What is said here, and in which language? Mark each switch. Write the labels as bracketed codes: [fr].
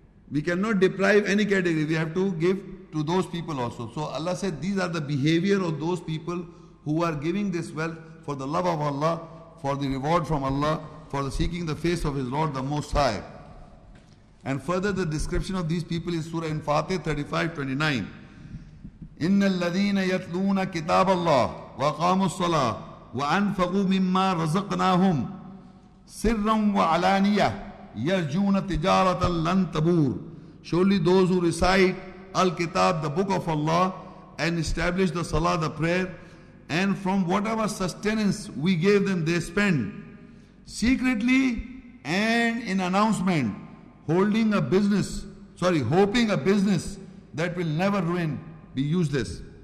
[en] We cannot deprive any category. We have to give to those people also. So Allah said, these are the behavior of those people who are giving this wealth for the love of Allah, for the reward from Allah, for the seeking the face of His Lord, the Most High. And further, the description of these people is Surah Al-Fatih 35:29. [ar] إن الذين يتلون كتاب الله وقاموا الصلاة وأنفقوا مما رزقناهم سرا وعلانية yarjuna tijaratan lan tabur. [en] Surely those who recite Al-Kitab, the book of Allah, and establish the Salah, the prayer, and from whatever sustenance we gave them, they spend secretly and in announcement, hoping a business that will never ruin, be useless.